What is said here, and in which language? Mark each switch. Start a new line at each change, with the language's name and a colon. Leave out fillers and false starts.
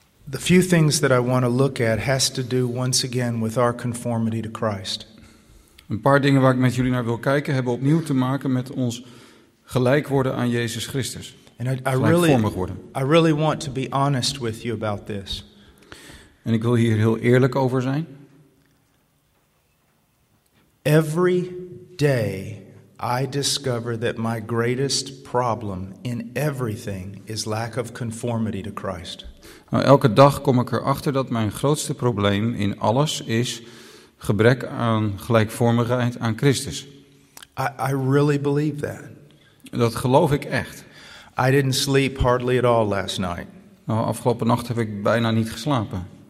English: The few things that I want to look at has to do once again with our conformity to Christ.
Dutch: Een paar dingen waar ik met jullie naar wil kijken hebben opnieuw te maken met ons gelijk worden aan Jezus Christus.
English: And I really want to be honest with you about this.
Dutch: En ik wil hier heel eerlijk over zijn.
English: Every day I discover that my greatest problem in everything is lack of conformity to Christ.
Dutch: Nou, elke dag kom ik erachter dat mijn grootste probleem in alles is gebrek aan gelijkvormigheid aan Christus.
English: I really believe that.
Dutch: Dat geloof ik echt.
English: I didn't sleep hardly at all last night.
Dutch: Nou, afgelopen nacht heb ik bijna niet geslapen.